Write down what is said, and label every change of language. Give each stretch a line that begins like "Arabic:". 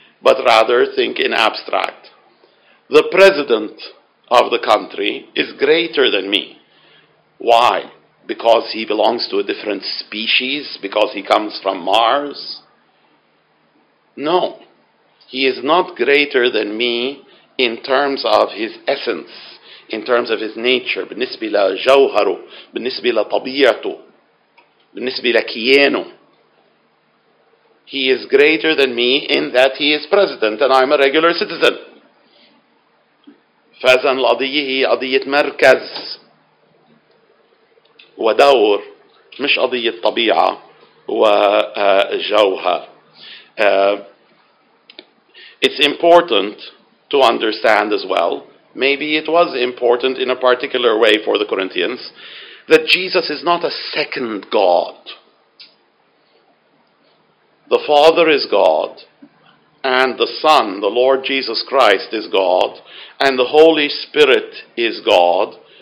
English: but rather think in abstract. The president of the country is greater than me. Why? Because he belongs to a different species? Because he comes from Mars? No. He is not greater than me in terms of his essence, in terms of his nature.
Arabic: بالنسبة لجوهره, بالنسبة لطبيعته, بالنسبة لكيانه.
English: He is greater than me in that he is president and I'm a regular citizen.
Arabic: فإذن القضية هي قضية مركز ودور مش قضية طبيعة وجوهر.
English: It's important to understand as well, maybe it was important in a particular way for the Corinthians, that Jesus is not a second God. The Father is God, and the Son, the Lord Jesus Christ, is God, and the Holy Spirit is God.